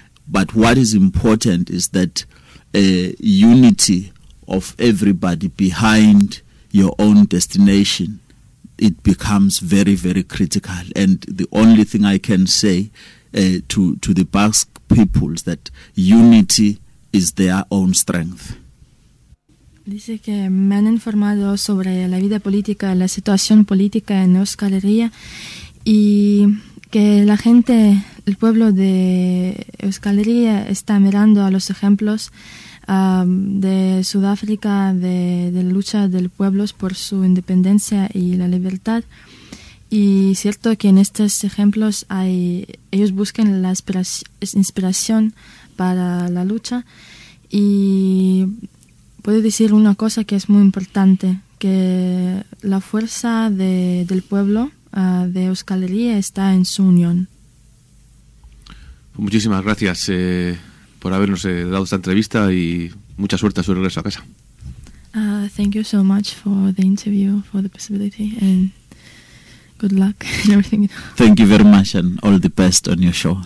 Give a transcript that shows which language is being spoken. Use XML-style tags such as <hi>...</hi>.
<en>But what is important is that unity of everybody behind your own destination, it becomes very, very critical. And the only thing I can say to the Basque peoples that unity is their own strength.</en> <es>Dice que me han informado sobre la vida política, la situación política en Euskal Herria, y que la gente, el pueblo de Euskal Herria está mirando a los ejemplos de Sudáfrica, de la lucha del pueblo por su independencia y la libertad. Y cierto que en estos ejemplos hay, ellos buscan la inspiración para la lucha. Y puedo decir una cosa que es muy importante, que la fuerza del pueblo de Euskal Herria está en su unión. Muchísimas gracias por habernos dado esta entrevista y mucha suerte a su regreso a casa.</es> <en>Thank you so much for the interview, for the possibility, and good luck and everything. Thank you very much and all the best on your show.</en>